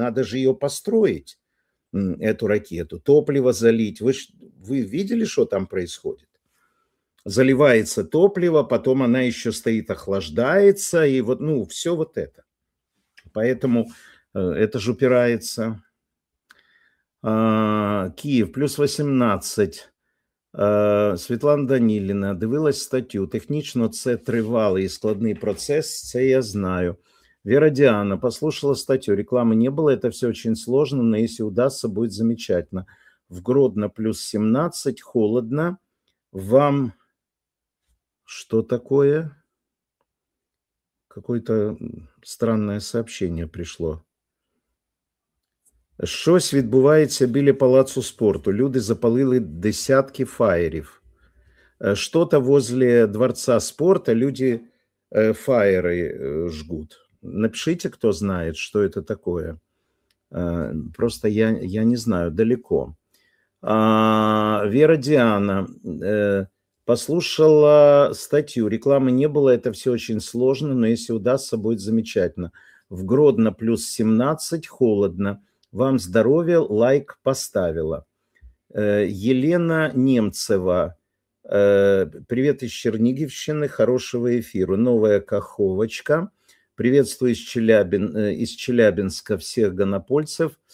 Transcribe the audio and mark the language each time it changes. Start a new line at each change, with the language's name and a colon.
Russian: Надо же ее построить, эту ракету, топливо залить. Вы видели, что там происходит? Заливается топливо, потом она еще стоит, охлаждается, и вот, ну, все вот это. Поэтому это же упирается. Киев, плюс 18.
Ukrainian: Світлана Даніліна, дивилась статтю. Технічно це тривалий і складний процес, це я знаю. Вера Діана, послушала статтю. Реклами не було, це все дуже складно, але якщо вдасться, буде замечательно.
Russian: В Гродно плюс 17, холодно.
Ukrainian: Вам що таке?
Russian: Какое-то странное сообщение прийшло.
Ukrainian: Щось відбувається біля палацу спорту. Люди запалили десятки фаєрів.
Russian: Щось возле дворца спорту люди фаєри жгуть.
Ukrainian: Напишіть, хто знає, що це таке. Просто я не знаю, далеко. Вера Діана послушала статтю. Реклами не було, це все дуже складно, але якщо вдасться, буде замечательно.
Russian: В Гродно плюс 17, холодно. Вам здоровье, лайк поставила. Елена Немцева. Привет из Чернигівщини, хорошего эфира. Новая каховочка. Приветствую из Челябинска всех гонопольцев.